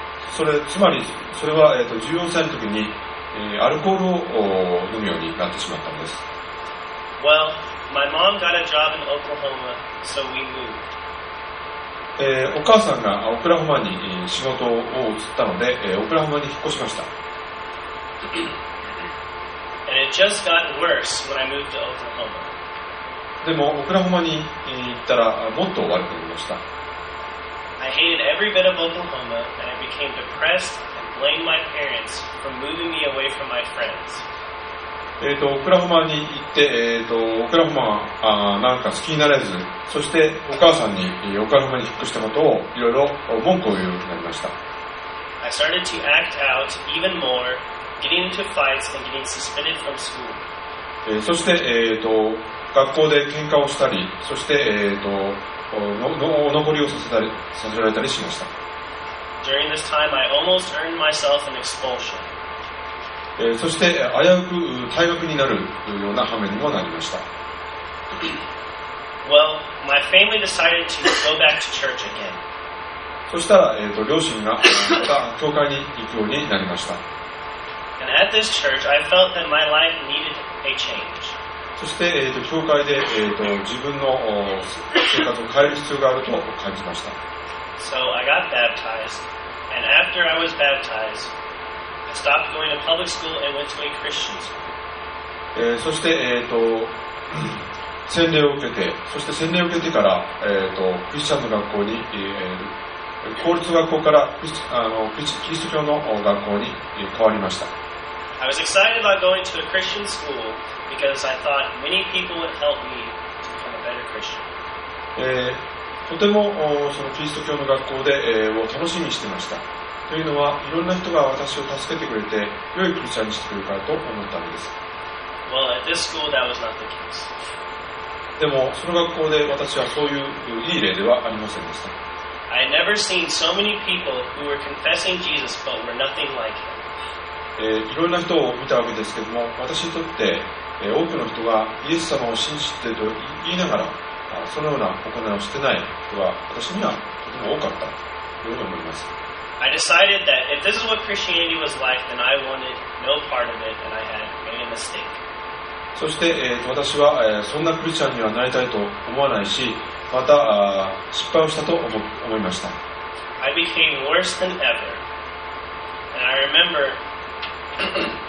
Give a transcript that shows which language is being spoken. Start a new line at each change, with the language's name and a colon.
Japanese: それ、つまり、それは、14歳の時にアルコールを飲むようになってしまったんです。
English: Well, my mom got a job in Oklahoma, so we moved.
Japanese: お母さんがオクラホマに仕事を移ったので、オクラホマに引っ越しました。
English: And it just got worse when I moved to Oklahoma.
Japanese: でも、オクラホマに行ったらもっと悪くなりました。
English: I hated every bit of Oklahoma, and I became depressed. Blame my parents for moving me away from my friends.
Japanese: オクラホマに行って、オクラホマはなんか好きになれず、そしてお母さんにオクラホマに引っ越したことをいろいろ文句を言うようになりました。
English: I started to act out even more, getting into fights and getting suspended from school.
Japanese: そして、学校で喧嘩をしたり、そして、お残りをさせられたりしました。
English: During this time, I almost earned myself an expulsion.
Japanese: そして危うく退学になるような羽目にもなりました。
English: Well, my family decided to go back to church again.
Japanese: そしたら、両親がまた教会に行くようになりました。
English: And at this church, I felt that my life needed a change.
Japanese: そして、教会で、自分の生活を変える必要があると感じました。
English: So I got baptized, and after I was baptized, I stopped going to public school and went to a Christian school.
Japanese: そして、洗礼を受けて、そして洗礼を受けてから、クリスチャンの学校に、公立学校からキリスト教の学校に変わりました。
English: I was excited about going to a Christian school because I thought many people would help me to become a better Christian.
Japanese: とてもそのキリスト教の学校で、を楽しみにしていました。というのは、いろんな人が私を助けてくれて、良いクリスチャンにしてくれるかと思ったのです。
English: Well, at this school, that was not the case.
Japanese: でも、その学校で私はそういういい例ではありませんでした。
English: I had never seen so many people who were confessing Jesus but were nothing like him.
Japanese: いろんな人を見たわけですけども、私にとって、多くの人がイエス様を信じていると言いながら、そのような行いをしていない人は私にはとても多かったというふうに思います。
English: I decided that if this is what Christianity was like, then I wanted no part of it and I had made a mistake.
Japanese: そして、私は、そんなクリスチャンにはなりたいと思わないし、また失敗をしたと思いました。
English: I became worse than ever. And I remember